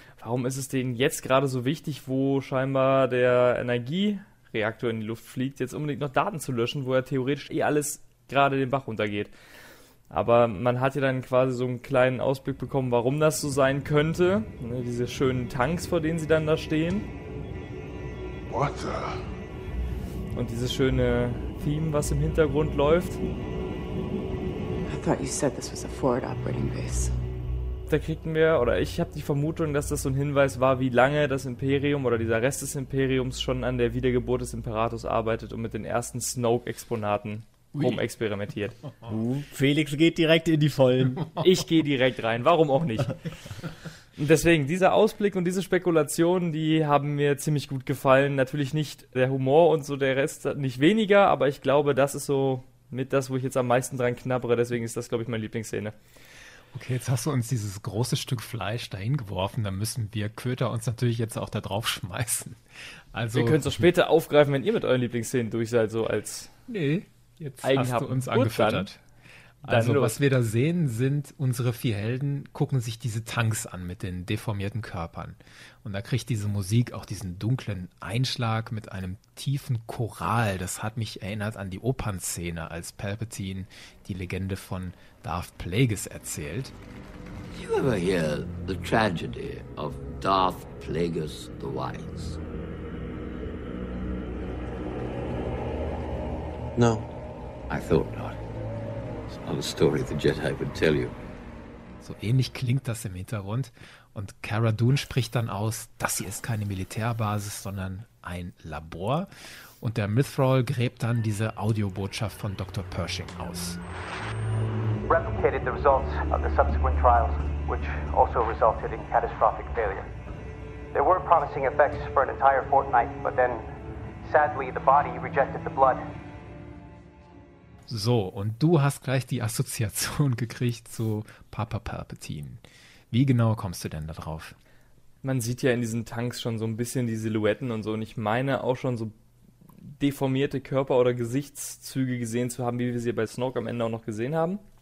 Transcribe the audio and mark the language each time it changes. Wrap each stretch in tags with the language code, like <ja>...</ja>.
<de>Warum ist es denen jetzt gerade so wichtig, wo scheinbar der Energiereaktor in die Luft fliegt, jetzt unbedingt noch Daten zu löschen, wo ja theoretisch alles gerade den Bach runtergeht? Aber man hat ja dann quasi so einen kleinen Ausblick bekommen, warum das so sein könnte. Ne, diese schönen Tanks, vor denen sie dann da stehen.</de> <en>What the...</en> <de>Und dieses schöne Theme, was im Hintergrund läuft.</de> <en>I thought you said this was a forward operating base.</en> <de>Da kriegen wir, oder ich habe die Vermutung, dass das so ein Hinweis war, wie lange das Imperium oder dieser Rest des Imperiums schon an der Wiedergeburt des Imperators arbeitet und mit den ersten Snoke-Exponaten rumexperimentiert. Felix geht direkt in die Vollen. Ich gehe direkt rein, warum auch nicht. Und deswegen, dieser Ausblick und diese Spekulationen, die haben mir ziemlich gut gefallen. Natürlich nicht der Humor und so der Rest, nicht weniger, aber ich glaube, das ist so mit das, wo ich jetzt am meisten dran knabbere. Deswegen ist das, glaube ich, meine Lieblingsszene. Okay, jetzt hast du uns dieses große Stück Fleisch dahin geworfen. Dann müssen wir Köter uns natürlich jetzt auch da drauf schmeißen. Also, wir können es doch später aufgreifen, wenn ihr mit euren Lieblingsszenen durch seid, so als Eigenhaben. Hast du uns angefüttert. Also was wir da sehen, sind unsere vier Helden gucken sich diese Tanks an mit den deformierten Körpern. Und da kriegt diese Musik auch diesen dunklen Einschlag mit einem tiefen Choral. Das hat mich erinnert an die Opernszene, als Palpatine die Legende von Darth Plagueis erzählt.</de> <en>Did you ever hear the tragedy of Darth Plagueis the Wise? No, I thought not. Of a story the Jedi would tell you.</en> <de>So ähnlich klingt das im Hintergrund. Und Cara Dune spricht dann aus, das hier ist keine Militärbasis, sondern ein Labor. Und der Mithral gräbt dann diese Audiobotschaft von Dr. Pershing aus.</de> <en>Replicated the results of the subsequent trials, which also resulted in catastrophic failure. There were promising effects for an entire fortnight, but then, sadly, the body rejected the blood.</en> <de>So, und du hast gleich die Assoziation gekriegt zu Papa Palpatine. Wie genau kommst du denn da drauf? Man sieht ja in diesen Tanks schon so ein bisschen die Silhouetten und so. Und ich meine auch schon so deformierte Körper- oder Gesichtszüge gesehen zu haben, wie wir sie bei Snoke am Ende auch noch gesehen haben.</de>